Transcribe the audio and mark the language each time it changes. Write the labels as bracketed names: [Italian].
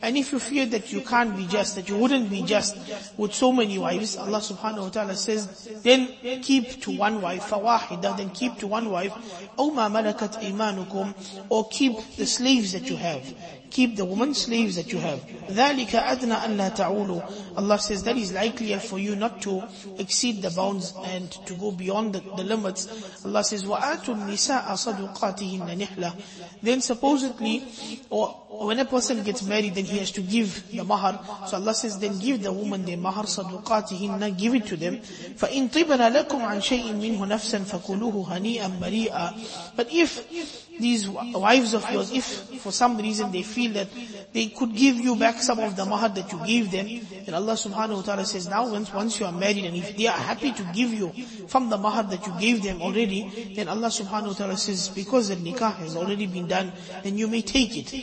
[English] And if you fear that you can't be just, that you wouldn't be just with so many wives, Allah subhanahu wa ta'ala says, then keep to one wife, [Arabic] فَوَاحِدَة, [English] then keep to one wife, [Arabic] أَوْ مَا مَلَكَتْ إِيمَانُكُمْ, [English] or keep the slaves that you have. Keep the woman slaves that you have. [Arabic] ذَلِكَ أَدْنَا أَلَّا تَعُولُوا. [English] Allah says, that is likelier for you not to exceed the bounds and to go beyond the limits. Allah says, [Arabic] وَآتُوا النِّسَاءَ صَدُقَاتِهِنَّ نِحْلَةً. [English] Then supposedly, when a person gets married, then he has to give the mahar. So Allah says, then give the woman the mahar, صَدُقَاتِهِنَّ, give it to them. [Arabic] فَإِنْ طِبَنَ لَكُمْ عَنْ شَيْءٍ مِّنْهُ نَفْسًا فَكُلُوهُ هَنِيئًا مَرِيئًا. [English] But if these wives of yours, if for some reason they feel that they could give you back some of the mahar that you gave them, then Allah subhanahu wa ta'ala says, now once you are married, and if they are happy to give you from the mahar that you gave them already, then Allah subhanahu wa ta'ala says, because the nikah has already been done, then you may take it.